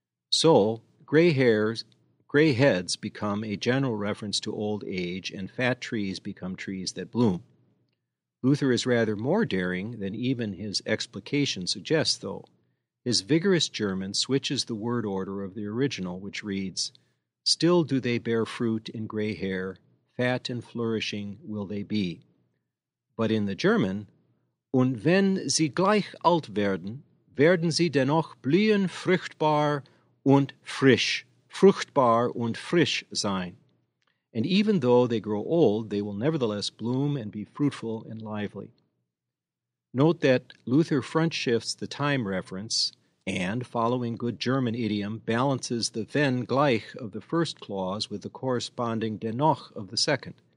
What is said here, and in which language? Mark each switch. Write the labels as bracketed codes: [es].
[en] So, gray heads become a general reference to old age, and fat trees become trees that bloom. Luther is rather more daring than even his explication suggests, though. His vigorous German switches the word order of the original, which reads, "Still do they bear fruit in gray hair, fat and flourishing will they be." But in the German, [de] "Und wenn sie gleich alt werden, werden sie dennoch blühen fruchtbar und frisch, fruchtbar und frisch sein." [en] And even though they grow old, they will nevertheless bloom and be fruitful and lively. Note that Luther front shifts the time reference and, following good German idiom, balances the wenn gleich of the first clause with the corresponding dennoch of the second.